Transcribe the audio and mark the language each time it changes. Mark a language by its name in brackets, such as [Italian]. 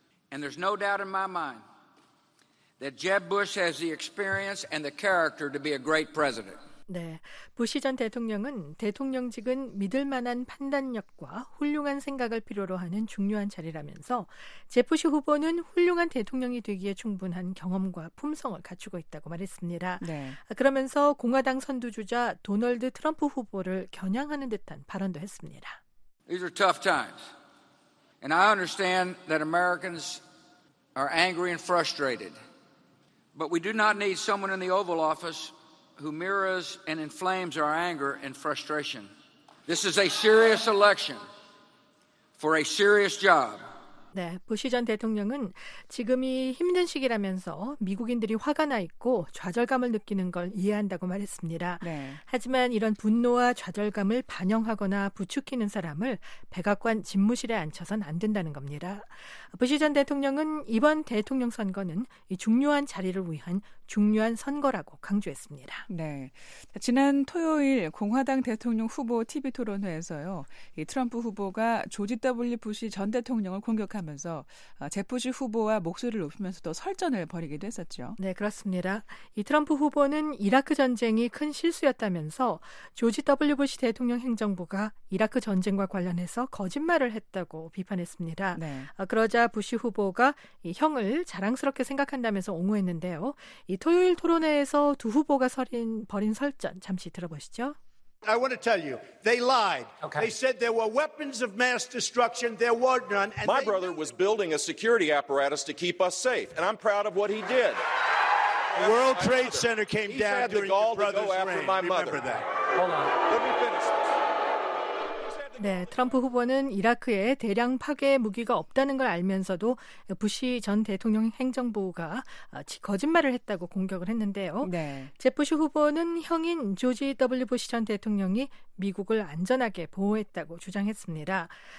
[English] And there's no doubt in my mind that Jeb Bush has the experience and the character to be a great president. [Korean] 네, 부시 전 대통령은 대통령직은 믿을 만한 판단력과 훌륭한 생각을 필요로 하는 중요한 자리라면서 제프시 후보는 훌륭한 대통령이 되기에 충분한 경험과 품성을 갖추고 있다고 말했습니다. 네. 그러면서 공화당 선두주자 도널드 트럼프 후보를 겨냥하는 듯한 발언도 했습니다. [English] These are tough times. And I understand that Americans are angry and frustrated. But we do not need someone in the Oval Office who mirrors and inflames our anger and frustration. This is a serious election for a serious job. [Korean] 네, 부시 전 대통령은 지금이 힘든 시기라면서 미국인들이 화가 나 있고 좌절감을 느끼는 걸 이해한다고 말했습니다. 네. 하지만 이런 분노와 좌절감을 반영하거나 부추기는 사람을 백악관 집무실에 앉혀선 안 된다는 겁니다. 부시 전 대통령은 이번 대통령 선거는 이 중요한 자리를 위한 중요한 선거라고 강조했습니다. 네. 지난 토요일 공화당 대통령 후보 TV 토론회에서요. 이 트럼프 후보가 조지 W. 부시 전 대통령을 공격하면서 제프시 후보와 목소리를 높이면서도 설전을 벌이기도 했었죠. 네, 그렇습니다. 이 트럼프 후보는 이라크 전쟁이 큰 실수였다면서 조지 W. 부시 대통령 행정부가 이라크 전쟁과 관련해서 거짓말을 했다고 비판했습니다. 네. 그러자 부시 후보가 이 형을 자랑스럽게 생각한다면서 옹호했는데요. 이 토요일 토론회에서 두 후보가 벌인 설전 잠시 들어보시죠. [English] I want to tell you, they lied. Okay. They said there were weapons of mass destruction. There were none. And my brother was building a security apparatus to keep us safe, and I'm proud of what he did. The World Trade Center came down during your brother's reign. Remember that. Hold on. Let me finish. [Korean] 네, 트럼프 후보는 이라크에 대량 파괴 무기가 없다는 걸 알면서도 부시 전 대통령 행정부가 거짓말을 했다고 공격을 했는데요. 네. 제프시 후보는 형인 조지 W. 부시 전 대통령이 미국을 안전하게 보호했다고 주장했습니다.